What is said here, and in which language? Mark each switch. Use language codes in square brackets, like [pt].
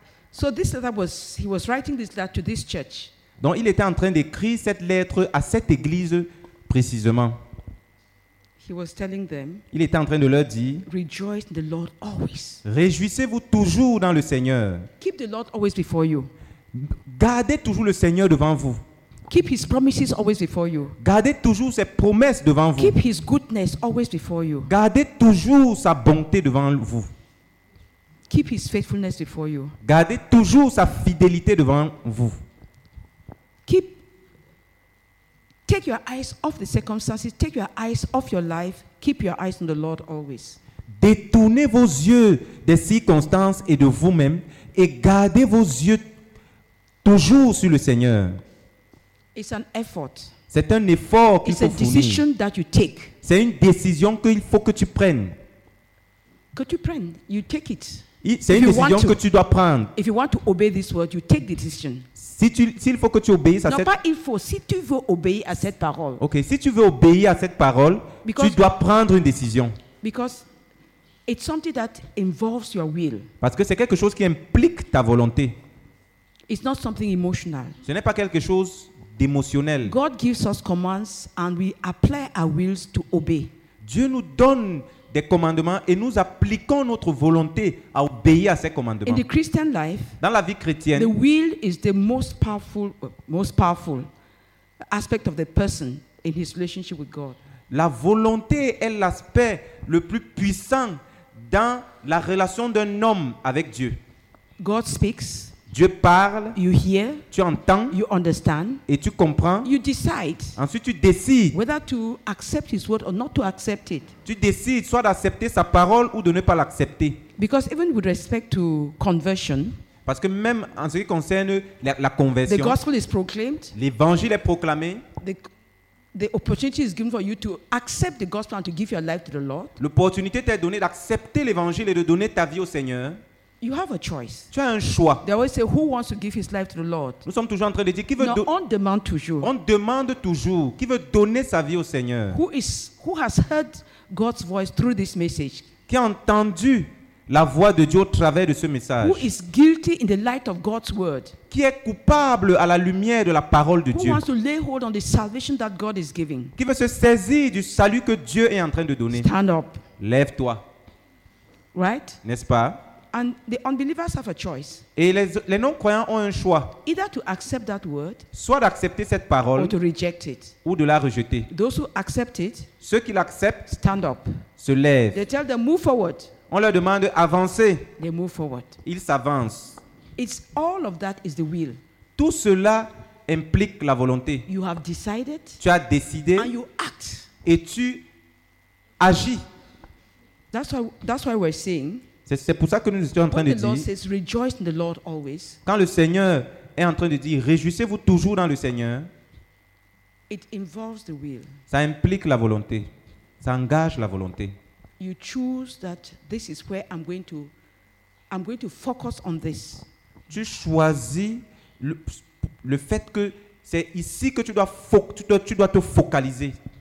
[en] So this letter was, he was writing this letter to this church. [fr] Donc il était en train d'écrire cette lettre à cette église précisément. [en] He was telling them. [fr] Il était en train de leur dire. [en] Rejoice in the Lord always. [fr] Réjouissez-vous toujours dans le Seigneur. [en] Keep the Lord always before you. [fr] Gardez toujours le Seigneur devant vous. [en] Keep his promises always before you. [fr] Gardez toujours ses promesses devant vous. [en] Keep his goodness always before you. [fr] Gardez toujours sa bonté devant vous. [en] Keep his faithfulness before you. [fr] Gardez toujours sa fidélité devant vous. [en] Take your eyes off the circumstances. Take your eyes off your life. Keep your eyes on the Lord always. [fr] Détournez vos yeux des circonstances et de vous-même et gardez vos yeux toujours sur le Seigneur. [en] It's an effort. [fr] C'est un effort qu'il faut fournir. [en] It's a decision that you take. [fr] C'est une décision qu'il faut que tu prennes. Que tu prennes, [en] you take it. [fr] C'est une décision que tu dois prendre. [en] If you want to obey this word, you take the decision. [fr] S'il faut que tu obéisses à non, cette parole. Non, pas il faut. Si tu veux obéir à cette parole. Ok, si tu veux obéir à cette parole, tu dois prendre une décision. [en] Because it's something that involves your will. [fr] Parce que c'est quelque chose qui implique ta volonté. [en] It's not something emotional. [fr] Ce n'est pas quelque chose d'émotionnel. [en] God gives us commands and we apply our wills to obey. [fr] Dieu nous donne des commandements et nous appliquons notre volonté à obéir à ces commandements. [en] In the Christian life, [fr] dans la vie chrétienne, [en] the will is the most powerful aspect of the person in his relationship with God. [fr] La volonté est l'aspect le plus puissant dans la relation d'un homme avec Dieu. [en] God speaks. [fr] Dieu parle. [en] You hear. [fr] Tu entends. [en] You understand. [fr] Et tu comprends. [en] You decide. [fr] Ensuite, tu décides. [en] Whether to accept his word or not to accept it. [fr] Tu décides soit d'accepter sa parole ou de ne pas l'accepter. [en] Because even with respect to conversion. [fr] Parce que même en ce qui concerne la conversion. [en] The gospel is proclaimed. [fr] L'évangile est proclamé. [en] The opportunity is given for you to accept the gospel and to give your life to the Lord. [fr] L'opportunité t'est donnée d'accepter l'évangile et de donner ta vie au Seigneur. [en] You have a choice. [fr] Tu as un choix. [en] They always say, "Who wants to give his life to the Lord?" [fr] Nous sommes toujours en train de dire qui veut. No, on demande toujours. On demande toujours qui veut donner sa vie au Seigneur. [en] Who has heard God's voice through this message? [fr] Qui a entendu la voix de Dieu au travers de ce message? [en] Who is guilty in the light of God's word? [fr] Qui est coupable à la lumière de la parole de [en] Who [fr] Dieu? [en] Who wants to lay hold on the salvation that God is giving? [fr] Qui veut se saisir du salut que Dieu est en train de donner? [en] Stand up. [fr] Lève-toi. [en] Right? [fr] N'est-ce pas? [en] And the unbelievers have a choice. [fr] Et les non-croyants ont un choix. [en] Either to accept that word, [fr] soit d'accepter cette parole, [en] or to reject it. [fr] Ou de la rejeter. [en] Those who accept it, [fr] ceux qui l'acceptent, [en] stand up. [fr] Se lèvent. [en] They tell them move forward. [fr] On leur demande avancer. [en] They move forward. [fr] Ils s'avancent. [en] It's all of that is the will. [fr] Tout cela implique la volonté. [en] You have decided. [fr] Tu as décidé. [en] And you act. [fr] Et tu agis. [en] That's why we're saying. [fr] C'est pour ça que nous étions en train de dire. [en] When the Lord says, "Rejoice in the Lord always." [fr] Quand le Seigneur est en train de dire, réjouissez-vous toujours dans le Seigneur. [en] It involves the will. [fr] Ça implique la volonté. Ça engage la volonté. [en] You choose that this is where I'm going to focus on this. [fr] Tu choisis le fait que c'est ici que tu dois te focaliser.